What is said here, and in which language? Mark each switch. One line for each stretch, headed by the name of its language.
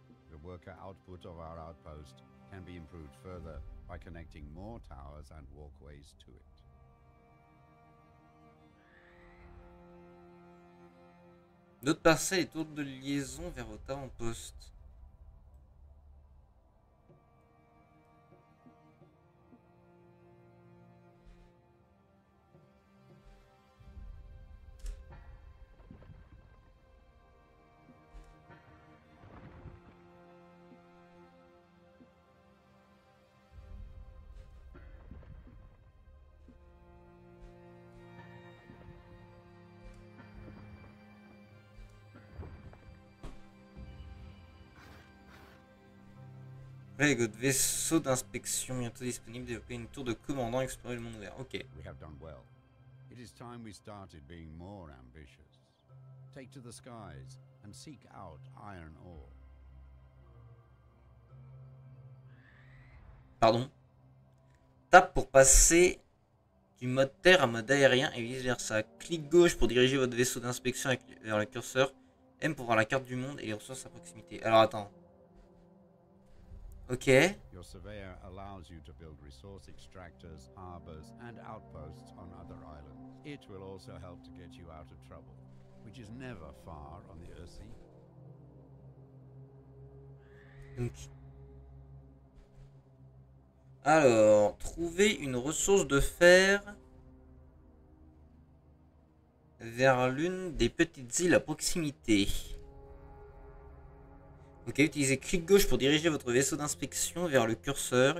English: The worker output of our outpost can be improved further by connecting more towers and walkways to it.
French: Notre parcelle est tour de liaison vers votre avant-poste. Good. Vaisseau d'inspection bientôt disponible. Développer une tour de commandant. Explorer le monde ouvert. Ok.
English: We have done well. It is time we started being more ambitious. Take to the skies and seek out iron ore.
French: Pardon. Tape pour passer du mode terre à mode aérien et vice versa. Clic gauche pour diriger votre vaisseau d'inspection vers le curseur. M pour voir la carte du monde et les ressources à proximité. Alors attends. Ok.
English: Your surveyor allows you to build resource extractors, harbors, and outposts on other islands. It will also help to get you out of trouble, which is never far on the Ursi.
French: Donc. Alors, trouver une ressource de fer vers l'une des petites îles à proximité. Ok, utilisez clic gauche pour diriger votre vaisseau d'inspection vers le curseur.